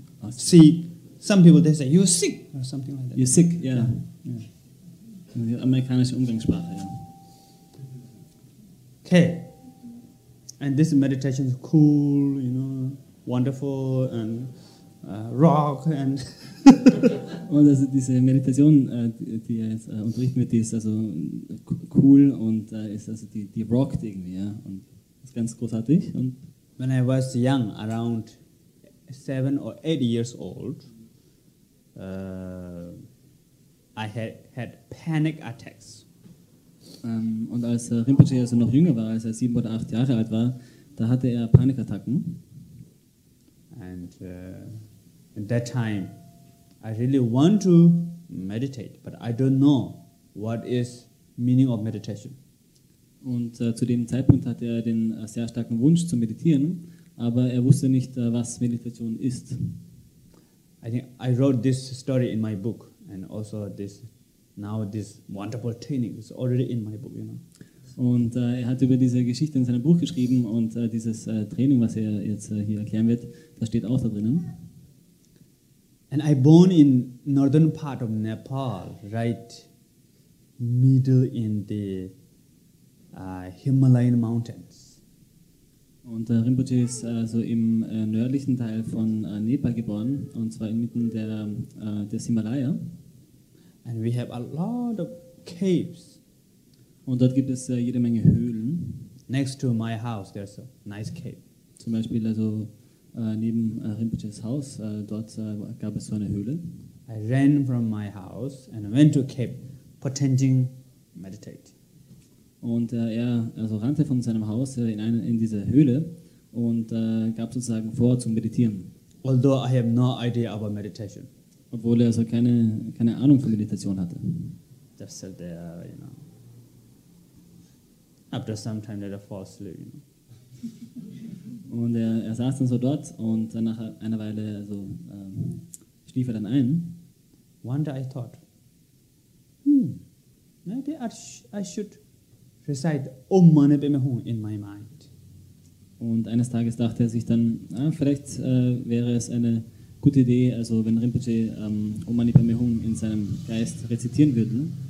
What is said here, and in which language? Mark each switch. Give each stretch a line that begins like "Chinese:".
English: See, some people they say, you're sick, or something like that. You're sick, yeah. Yeah.
German: Amerikanische Umgangssprache, ja.
English: Okay. And this meditation is cool, you know, wonderful and rock and.
German: Und also diese Meditation, die er jetzt unterrichten wird, die ist also cool und ist also die rockt irgendwie, ja, und ist ganz großartig. Und
English: when I was young, around 7 or 8 years old, I had panic attacks.
German: Und als Rinpoche also noch jünger war, als er 7 oder 8 Jahre alt war, da hatte er Panikattacken.
English: And at that time, I really want to meditate, but I don't know what is meaning of meditation.
German: Und zu dem Zeitpunkt hatte er den sehr starken Wunsch zu meditieren, aber er wusste nicht, was Meditation ist.
English: I think I wrote this story in my book, and also this. Now this wonderful training is already in my book, you know.
German: Und er hat über diese Geschichte in seinem Buch geschrieben und dieses Training, was er jetzt hier erklären wird, das steht auch da drinnen.
English: And I born in northern part of Nepal, right middle in the Himalayan mountains.
German: Und Rinpoche ist also im nördlichen Teil von Nepal geboren, und zwar inmitten des Himalaya.
English: And we have a lot of caves.
German: Und dort gibt es jede Menge Höhlen.
English: Next to my house, there's a nice cave.
German: Zum Beispiel also neben Rinpoches Haus, dort gab es so eine Höhle.
English: I ran from my house and went to a cave, pretending meditate.
German: Und er also rannte von seinem Haus in diese Höhle und gab sozusagen vor zu meditieren.
English: Although I have no idea about meditation.
German: Obwohl er also keine Ahnung von Meditation hatte.
English: Just sat there, you know. After some time, let him fall asleep, you know.
German: Und er saß dann so dort und dann nach einer Weile so schlief er dann ein.
English: One day I thought, maybe I should recite Om Mani Padme Hum in my mind.
German: Und eines Tages dachte er sich dann, vielleicht wäre es eine gute Idee, also wenn Rinpoche Om Mani Padme Hum in seinem Geist rezitieren würde.